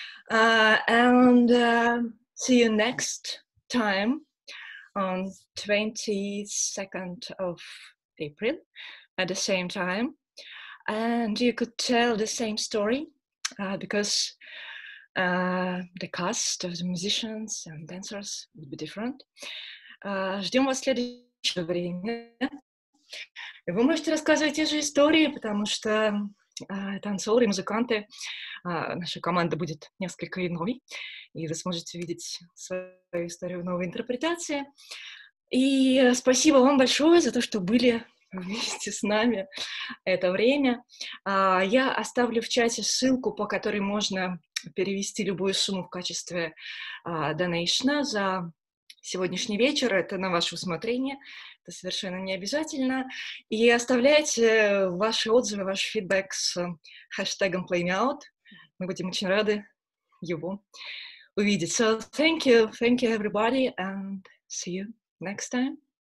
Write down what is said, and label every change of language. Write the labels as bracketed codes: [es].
[en] See you next time on 22nd of April at the same time. And you could tell the same story because the cast of the musicians and dancers would be different. [ru] Ждем вас в следующее время. И вы можете рассказывать те же истории, потому что танцоры, музыканты, наша команда будет несколько иной, и вы сможете видеть свою историю в новой интерпретации. И спасибо вам большое за то, что были вместе с нами это время. Я оставлю в чате ссылку, по которой можно перевести любую сумму в качестве донейшна за сегодняшний вечер, это на ваше усмотрение, это совершенно не обязательно. И оставляйте ваши отзывы, ваш фидбэк с хэштегом PlayMeOut. Мы будем очень рады его увидеть. [en] So thank you everybody, and see you next time.